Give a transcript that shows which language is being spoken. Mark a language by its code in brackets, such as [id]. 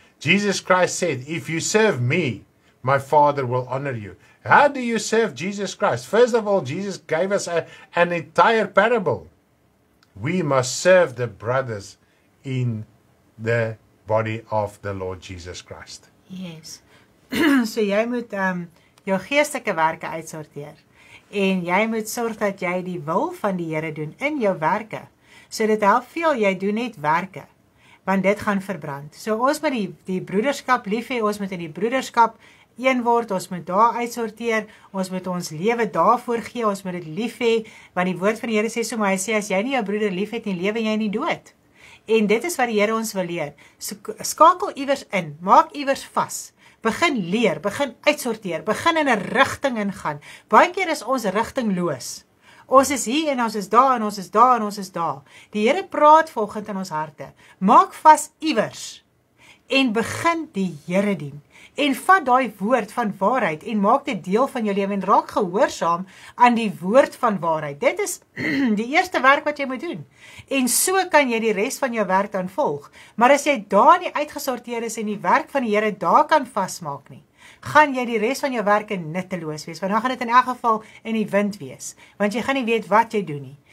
[en] Jesus Christ said, if you serve me, my Father will honor you. How do you serve Jesus Christ? First of all, Jesus gave us an entire parable. We must serve the brothers in the body of the Lord Jesus Christ. Yes. [af] So jy moet jou geestelike werke uitsorteer. En jy moet sorg dat jy die wil van die Here doen in jou werke. So dit help veel, jy doen net werke. Want dit gaan verbrand. So ons moet die broederskap lief hê, ons moet in die broederskap een word, ons moet daar uitsorteer, ons moet ons lewe daarvoor gee, ons moet dit lief hê, want die woord van die Here sê so, maar hy sê, as jy nie jou broeder lief het nie, lewe jy in die dood. En dit is wat die Here ons wil leer. So, skakel iewers in, maak iewers vas, begin leer, begin uitsorteer, begin in 'n rigting ingaan. Baie keer is ons rigtingloos. Ons is hier en ons is daar en ons is daar en ons is daar. Die Here praat volgend in ons harte. Maak vas iewers en begin die Here dien. En vat daai woord van waarheid en maak dit deel van jou lewe en raak gehoorsaam aan die woord van waarheid. Dit is die eerste werk wat jy moet doen. En so kan jy die res van jou werk dan volg. Maar as jy daar nie uitgesorteer is en die werk van die Here daar kan vasmaak nie, gaan jy die res van jou werke nutteloos wees, want dan gaan dit in elk geval in die wind wees, want jy gaan nie weet wat jy doen nie.